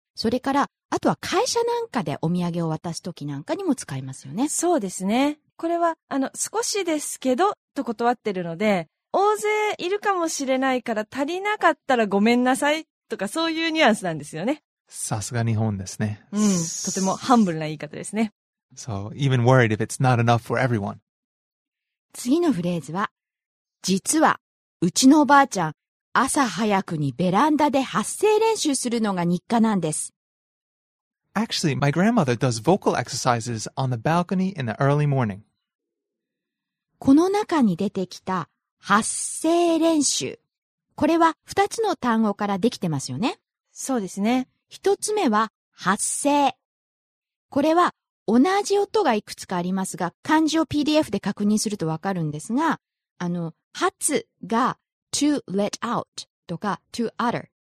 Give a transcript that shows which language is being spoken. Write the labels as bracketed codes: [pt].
[ja] それから、あとは会社なんかでお土産を渡す時なんかにも使いますよね。そうですね。これは、少しですけど、と断ってるので、大勢いるかもしれないから足りなかったらごめんなさいとかそういうニュアンスなんですよね。さすが日本ですね。うん、とてもハンブルな言い方ですね。 [en] So, even worried if it's not enough for everyone. [ja] 次のフレーズは、実は、うちのおばあちゃん、朝早くにベランダで発声練習するのが日課なんです。 [en] Actually, my grandmother does vocal exercises on the balcony in the early morning. [ja] この中に出てきた発声練習。これは二つの単語からできてますよね。そうですね。一つ目は発声。これは同じ音がいくつかありますが、漢字を PDF で確認するとわかるんですが、発が [en] to let out [ja] とか [en] to utter。